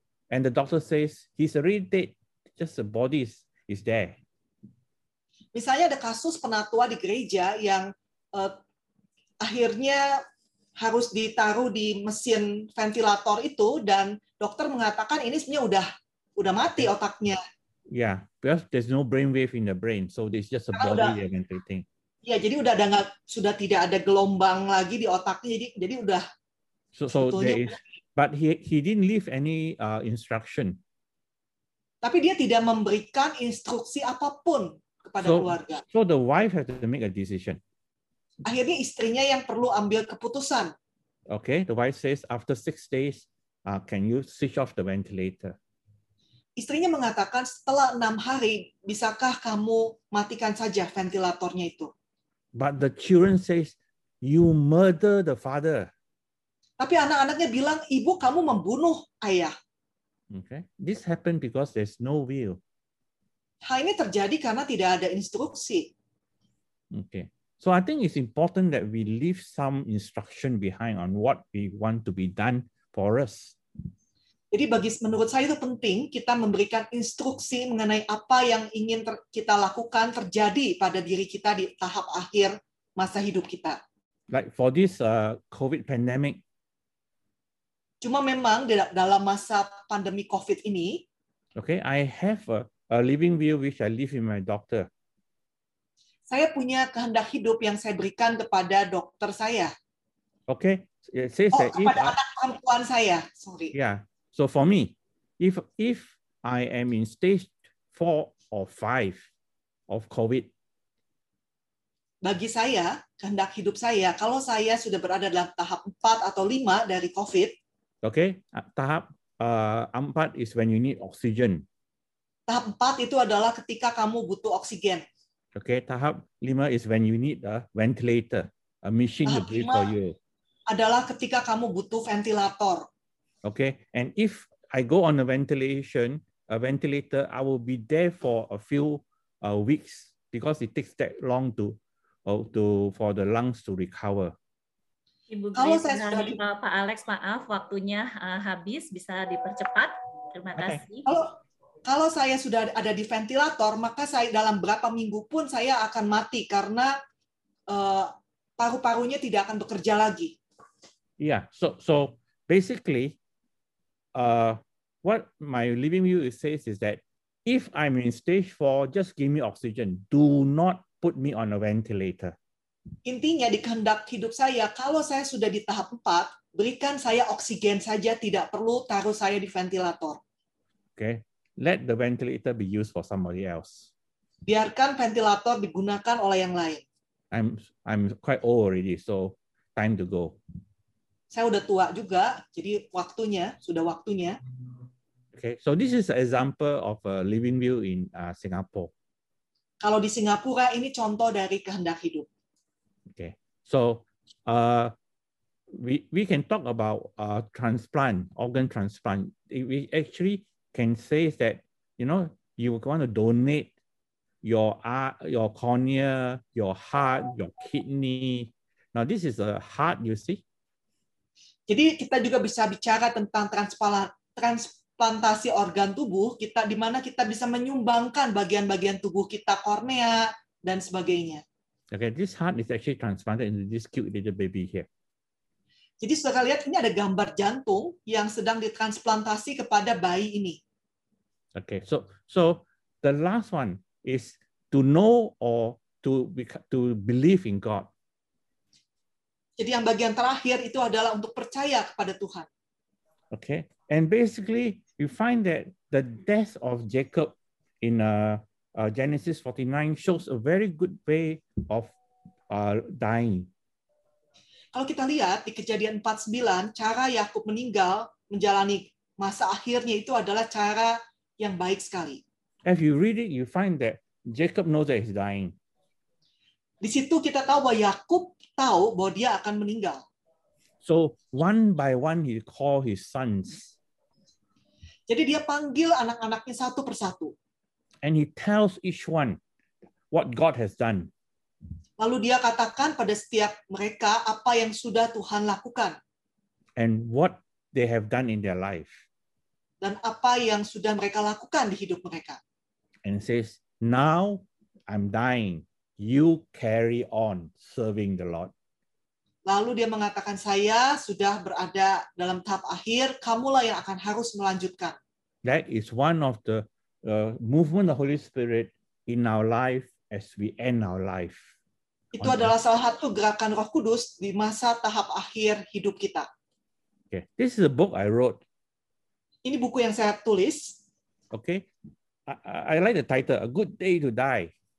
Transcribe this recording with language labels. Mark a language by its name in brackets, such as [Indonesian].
[English] And the doctor says he's already dead, just the body is there. [Indonesian] Misalnya ada kasus penatua di gereja yang akhirnya harus ditaruh di mesin ventilator itu dan dokter mengatakan ini sebenarnya udah mati otaknya. [English] Yeah, because there's no brain wave in the brain, so it's just a body ventilating. [Indonesian] Ya, jadi udah ada nggak, sudah tidak ada gelombang lagi di otaknya, jadi udah. [English] So there is, but he didn't leave any instruction. [Indonesian] Tapi dia tidak memberikan instruksi apapun kepada keluarga. [English] So the wife has to make a decision. [Indonesian] Akhirnya istrinya yang perlu ambil keputusan. [English] Okay, the wife says after 6 days, can you switch off the ventilator? [Indonesian] Istrinya mengatakan setelah 6 hari, bisakah kamu matikan saja ventilatornya itu? [English] But the children says, you murder the father. [Indonesian] Tapi anak-anaknya bilang, ibu kamu membunuh ayah. [English] Okay, this happened because there's no will. [Indonesian] Hal ini terjadi karena tidak ada instruksi. [English] Okay, so I think it's important that we leave some instruction behind on what we want to be done for us. [Indonesian] Jadi bagi menurut saya itu penting kita memberikan instruksi mengenai apa yang ingin kita lakukan terjadi pada diri kita di tahap akhir masa hidup kita. [English] Like for this COVID pandemic. [Indonesian] Cuma memang dalam masa pandemi COVID ini. [English] Okay, I have a living view which I leave in my doctor. [Indonesian] Saya punya kehendak hidup yang saya berikan kepada dokter saya. [English] Okay, it says that [Indonesian] kepada anak perempuan saya, [English] sorry. Yeah. So for me, if I am in stage 4 or 5 of COVID, [Indonesian] bagi saya, kehendak hidup saya, kalau saya sudah berada dalam tahap 4 atau 5 dari COVID, [English] okay, [Indonesian] tahap [English] 4 is when you need oxygen. [Indonesian] Tahap 4 itu adalah ketika kamu butuh oksigen. [English] Okay, [Indonesian] tahap [English] 5 is when you need a ventilator, a machine [Indonesian] tahap [English] to breathe for you. [Indonesian] Adalah ketika kamu butuh ventilator. [English] Okay, and if I go on a ventilator, I will be there for a few weeks because it takes that long to for the lungs to recover. [Indonesian] Ibu Grace, Pak Alex, maaf waktunya habis, bisa dipercepat. Terima kasih. Kalau saya sudah ada di ventilator, maka saya dalam berapa minggu pun saya akan mati karena paru-parunya tidak akan bekerja lagi. [English] Yeah, so basically, what my living view says is that if I'm in stage four, just give me oxygen. Do not put me on a ventilator. [Indonesian] Intinya di kehendak hidup saya, kalau saya sudah di tahap 4, berikan saya oksigen saja, tidak perlu taruh saya di ventilator. [English] Okay, let the ventilator be used for somebody else. [Indonesian] Biarkan ventilator digunakan oleh yang lain. [English] I'm quite old already, so time to go. [Indonesian] Saya udah tua juga, jadi waktunya, sudah waktunya. [English] Okay, so this is an example of a living will in Singapore. [Indonesian] Kalau di Singapura, ini contoh dari kehendak hidup. [English] Okay, so we can talk about transplant, organ transplant. We actually can say that, you know, you want to donate your cornea, your heart, your kidney. Now this is a heart, you see. [Indonesian] Jadi kita juga bisa bicara tentang transplantasi organ tubuh kita, di mana kita bisa menyumbangkan bagian-bagian tubuh kita, kornea dan sebagainya. [English] Okay, this heart is actually transplanted into this cute little baby here. [Indonesian] Jadi saudara lihat ini ada gambar jantung yang sedang ditransplantasi kepada bayi ini. [English] Okay, so the last one is to know or to believe in God. [Indonesian] Jadi yang bagian terakhir itu adalah untuk percaya kepada Tuhan. [English] Okay, and basically we find that the death of Jacob in Genesis 49 shows a very good way of dying. [Indonesian] Kalau kita lihat di Kejadian 49, cara Yakub meninggal menjalani masa akhirnya itu adalah cara yang baik sekali. [English] If you read it, you find that Jacob knows that he's dying. [Indonesian] Di situ kita tahu bahwa Yakub tahu bahwa dia akan meninggal. [English] So one by one he call his sons. [Indonesian] Jadi dia panggil anak-anaknya satu persatu. [English] And he tells each one what God has done. [Indonesian] Lalu dia katakan pada setiap mereka apa yang sudah Tuhan lakukan. [English] And what they have done in their life. [Indonesian] Dan apa yang sudah mereka lakukan di hidup mereka. [English] And says, now I'm dying. You carry on serving the Lord. [Indonesian] Lalu dia mengatakan, saya sudah berada dalam tahap akhir. Kamulah yang akan harus melanjutkan. [English] That is one of the movement of the Holy Spirit in our life as we end our life. [Indonesian] Itu adalah salah satu gerakan Roh Kudus di masa tahap akhir hidup kita. [English] Okay, this is a book I wrote. [Indonesian] Ini buku yang saya tulis. [English] Okay, I like the title, A Good Day to Die.